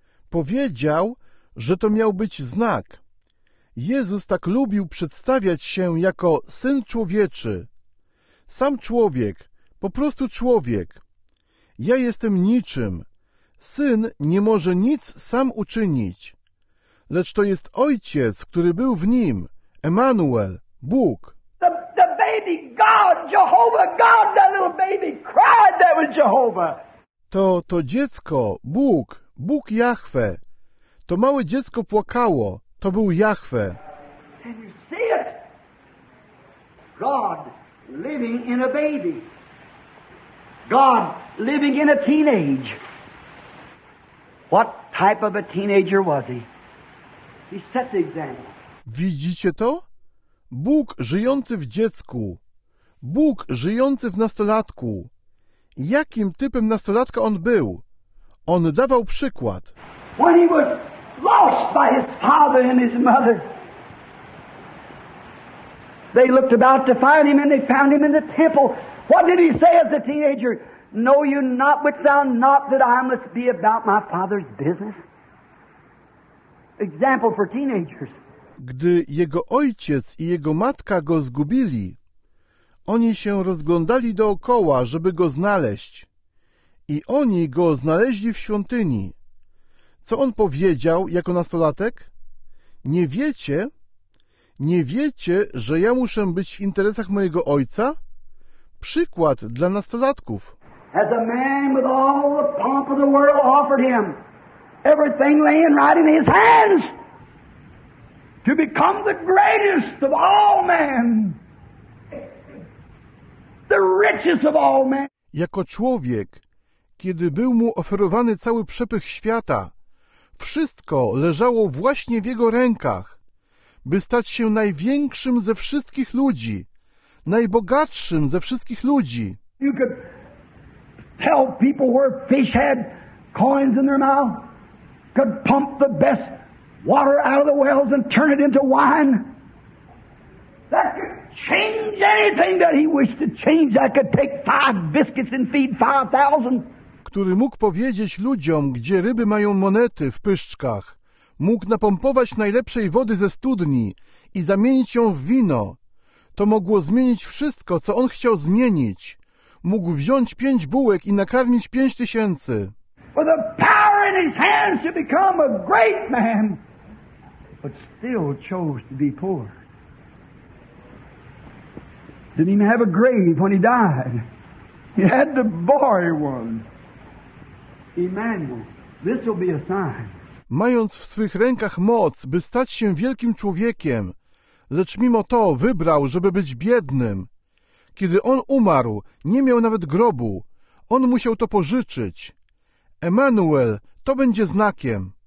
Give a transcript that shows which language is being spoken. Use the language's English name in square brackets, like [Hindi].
[Polish] Powiedział, że to miał być znak. Jezus tak lubił przedstawiać się jako Syn Człowieczy. Sam człowiek, po prostu człowiek. Ja jestem niczym. Syn nie może nic sam uczynić. Lecz to jest Ojciec, który był w nim. Emmanuel, Bóg. [English] The baby God, Jehovah God, that little baby cried, that was Jehovah. [Polish] To dziecko, Bóg, Bóg Jahwe. To małe dziecko płakało, to był Jahwe. [English] Can you see it? God. Living in a baby. God living in a teenage. What type of a teenager was he? He set the example. [Polish] Widzicie to? Bóg żyjący w dziecku. Bóg żyjący w nastolatku. Jakim typem nastolatka on był? On dawał przykład. [English] When he was lost by his father and his mother, they looked about to find him and they found him in the temple. What did he say as a teenager? Know you not, which thou not, that I must be about my father's business? Example for teenagers. [Polish] Gdy jego ojciec i jego matka go zgubili, oni się rozglądali dookoła, żeby go znaleźć. I oni go znaleźli w świątyni. Co on powiedział jako nastolatek? Nie wiecie? Nie wiecie, że ja muszę być w interesach mojego ojca? Przykład dla nastolatków. [English] As a man with all the pomp of the world offered him everything laying right in his hands to become the greatest of all men. The richest of all men. [Polish] Jako człowiek, kiedy był mu oferowany cały przepych świata, wszystko leżało właśnie w jego rękach, by stać się największym ze wszystkich ludzi, najbogatszym ze wszystkich ludzi. [English] You could tell people where fish had coins in their mouth, could pump the best water out of the wells and turn it into wine. That could change anything that he wished to change. That could take five biscuits and feed 5,000. [Polish] Który mógł powiedzieć ludziom, gdzie ryby mają monety w pyszczkach, mógł napompować najlepszej wody ze studni i zamienić ją w wino. To mogło zmienić wszystko, co on chciał zmienić. Mógł wziąć 5 bułek i nakarmić 5,000. [English] With the power in his hands to become a great man, but still chose to be poor. Didn't even have a grave when he died. He had the boy one. Emmanuel, this will be a sign. [Polish] Mając w swych rękach moc, by stać się wielkim człowiekiem, lecz mimo to wybrał, żeby być biednym. Kiedy on umarł, nie miał nawet grobu. On musiał to pożyczyć. Emmanuel, to będzie znakiem.